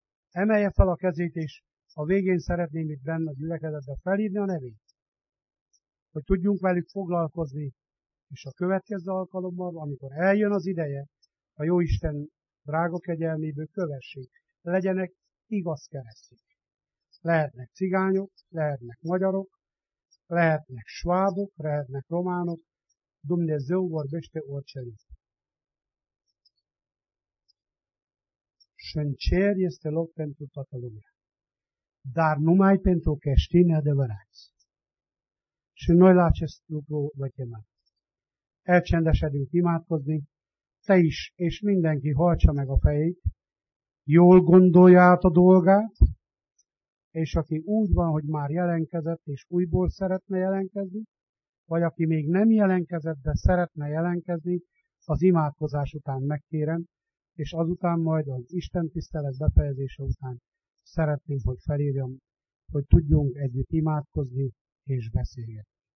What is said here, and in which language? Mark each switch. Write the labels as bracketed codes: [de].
[hu] emelje fel a kezét, és a végén szeretném itt benne a gyülekezetbe felírni a nevét, hogy tudjunk velük foglalkozni, és a következő alkalommal, amikor eljön az ideje, a jó Isten drága kegyelméből kövessék, legyenek igaz keresztények. Lehetnek cigányok, lehetnek magyarok, lehetnek svábok, lehetnek románok, [ro] Dumnezeu vorbește orice limbă. Și în cer este loc pentru toată lumea, dar numai pentru creștini adevărați. Și noi la acest lucru vă chemăm. [hu] Elcsendesedünk imádkozni, te is, és mindenki hajtsa meg a fejét, jól gondolja át a dolgát, és aki úgy van, hogy már jelenkezett, és újból szeretne jelenkezni, vagy aki még nem jelenkezett, de szeretne jelenkezni, az imádkozás után megkérem, és azután majd az Isten tisztelet befejezése után szeretném, hogy felírjam, hogy tudjunk együtt imádkozni és beszélgetni.